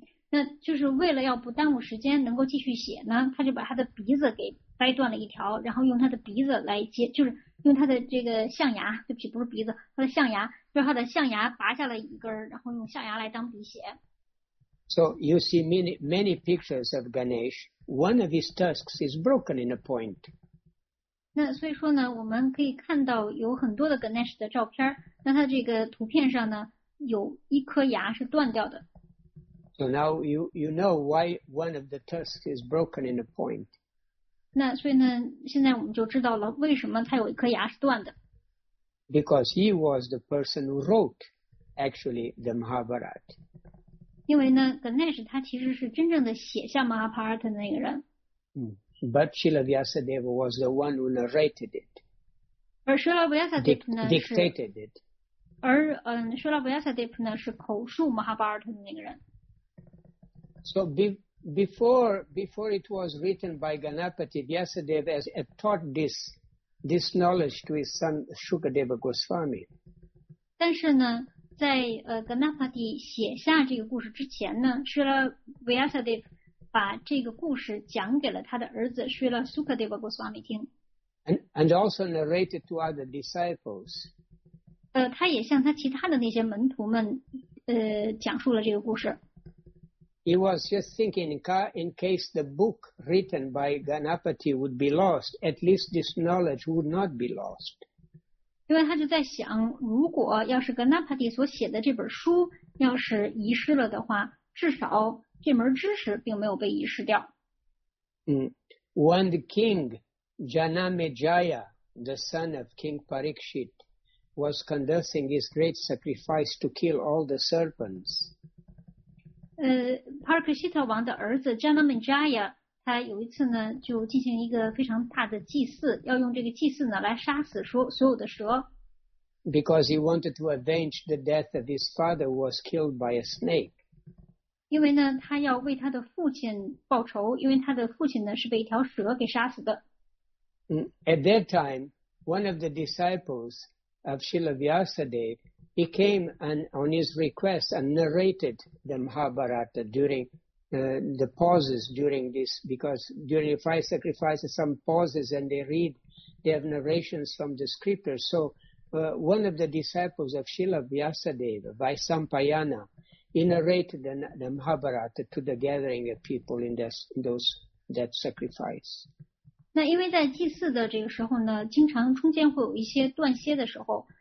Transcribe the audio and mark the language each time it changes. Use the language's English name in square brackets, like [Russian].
[Chinese] 那就是为了要不耽误时间能够继续写呢，他就把他的鼻子给掰断了一条，然后用他的鼻子来接，就是用他的这个象牙，对不起，不是鼻子，他的象牙，就是他的象牙拔下了一根，然后用象牙来当笔写。 [English] So you see many, many pictures of Ganesh. One of his tusks is broken in a point. [Chinese] 那所以说呢，我们可以看到有很多的 Ganesh 的照片，那他这个图片上呢，有一颗牙是断掉的。 [English] So now you know why one of the tusks is broken in a point. [Chinese] 那所以呢，现在我们就知道了为什么他有一颗牙是断的。 [English] Because he was the person who wrote, actually, the Mahabharata. [Chinese] 因为呢 ，Ganesh 他其实是真正的写下 Mahabharata 的那个人。 [English] But Srila Vyasadeva was the one who narrated it. [Chinese] 而 Srila Vyasadeva 呢 [English] dictated it. [Chinese] 而Srila Vyasadeva 呢是口述 Mahabharata 的那个人。 [English] So before it was written by Ganapati, Vyasadeva had taught this knowledge to his son Shukadeva Goswami. [Chinese] 但是呢，在Ganapati 写下这个故事之前呢，是了 Vyasadeva 把这个故事讲给了他的儿子，是了 Shukadeva Goswami 听。 [English] And also narrated to other disciples. [Chinese] 他也向他其他的那些门徒们讲述了这个故事。 [English] He was just thinking, in case the book written by Ganapati would be lost, at least this knowledge would not be lost. [Chinese] 因为他就在想，如果要是 Ganapati 所写的这本书要是遗失了的话，至少这门知识并没有被遗失掉。 [English] When the king Janamejaya, the son of King Parikshit, was conducting his great sacrifice to kill all the serpents. [Chinese] Parikshita 王的儿子 Janamejaya 他有一次呢就进行一个非常大的祭祀，要用这个祭祀呢来杀死所有的蛇。 [English] Because he wanted to avenge the death of his father who was killed by a snake. [Chinese] 因为呢他要为他的父亲报仇，因为他的父亲呢是被一条蛇给杀死的。 [English] At that time, one of the disciples of Srila Vyasadeva,He came and on his request and narrated the Mahabharata during the pauses during this, because during the five sacrifices, some pauses and they have narrations from the scriptures. So one of the disciples of Srila Vyasadeva, Vaisampayana, he narrated the Mahabharata to the gathering of people in that sacrifice. [Chinese] 那因为在祭祀的这个时候呢，经常中间会有一些断歇的时候。